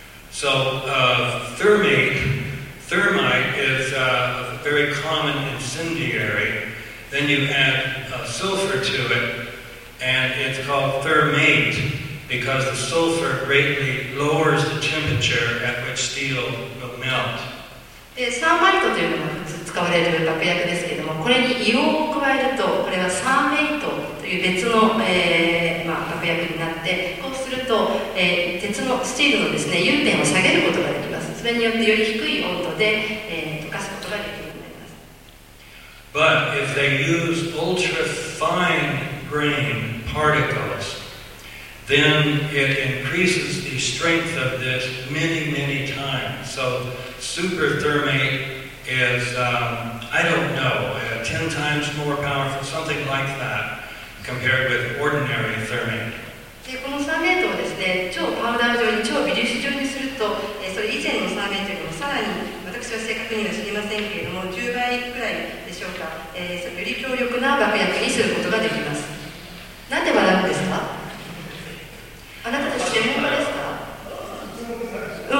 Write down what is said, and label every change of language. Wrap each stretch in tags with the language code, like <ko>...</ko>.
<en>So, thermite is a very common incendiary. Then you add sulfur to it, and it's called thermate because the sulfur greatly lowers the temperature at which steel will melt.</en> <ja>サーマイトというのが使われる爆薬ですけれども、これに硫黄を加えると、これはサーメイトという別の、爆薬になって、こうすると、鉄のスチールのですね、融点を下げることができます。それによってより低い温度で、溶かすことができます。</ja> <en>But if they use ultra-fine grain particles, then it increases the strength of this many, many times. So super thermite is, I don't know, 10 times more powerful, something like that, compared with ordinary thermite.</en> <ja>でこのサーメイトをですね、超パウダー状に超微粒子状にすると、それ以前のサーメイトよりもさらに私は正確には知りませんけれども10倍くらいでしょうか、それより強力な爆薬にすることができます。なんで笑うんですか？あなたたち専門家ですか？</ja>